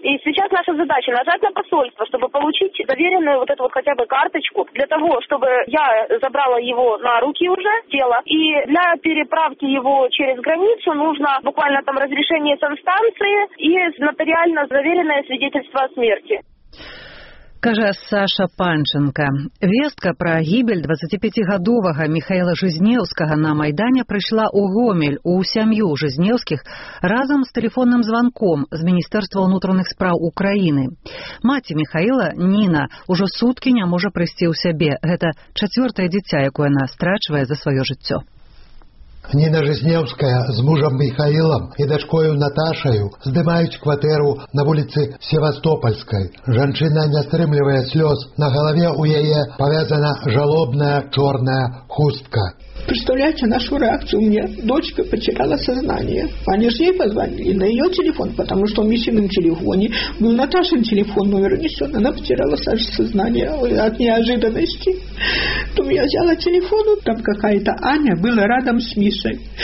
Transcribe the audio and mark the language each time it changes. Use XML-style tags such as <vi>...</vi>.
<ru>И сейчас наша задача нажать на посольство, чтобы получить доверенную вот эту вот хотя бы карточку для того, чтобы я забрала его на руки уже, тело. И для переправки его через границу нужно буквально там разрешение санстанции и нотариально заверенное свидетельство о смерти.</ru> <uk>Каже Саша Панченко. Вестка про гибель 25-годового Михаила Жизневского на Майдане прийшла у Гомель, у сям'ю Жизневських, разом з телефонним дзвонком з Міністерства внутрішніх справ України. Мати Михаїла, Ніна, уже сутки не може прийти у себе. Це четверте дитя, яке вона страчує за своє життя. Ніна Жизневська з мужем Михаїлом і дочкою Наташою здимають квартиру на вулиці Севастопольській. Жінка не стримує сліз. На голові у неї пов'язана жалобна чорна хустка.</uk> <ru>Представляете нашу реакцию? У меня дочка потеряла сознание. Они же ей позвонили на ее телефон, потому что в Мишином телефоне был Наташин телефон, номер унесен. Она потеряла сознание от неожиданности. Потом я взяла телефон, там какая-то Аня была рядом с Мишей.</ru>